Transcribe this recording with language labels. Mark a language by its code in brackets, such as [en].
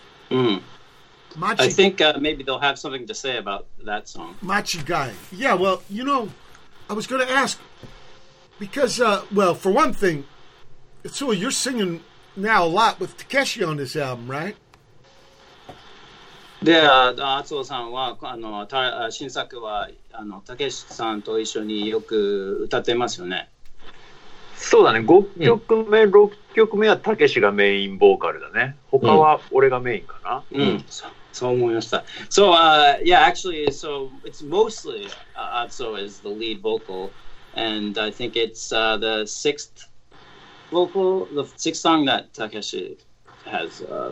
[en] Machi. I think maybe they'll have something to say about that song. Machi guy. Yeah, well, you know, I was going to ask, because, well, for one thing, so you're singing now a lot with Takeshi on this album, right? Yeah, [ja] Atsuo-sanは新作は、あの、Takeshi-san と一緒によく歌ってますよね。そうだね。5曲目、6曲目はタケシがメインボーカルだね。他は俺がメインかな。うん。そう思いました。 [en] So yeah, actually, so it's mostly Atsuo is the lead vocal, and I think it's the sixth vocal, the sixth song that Takeshi has.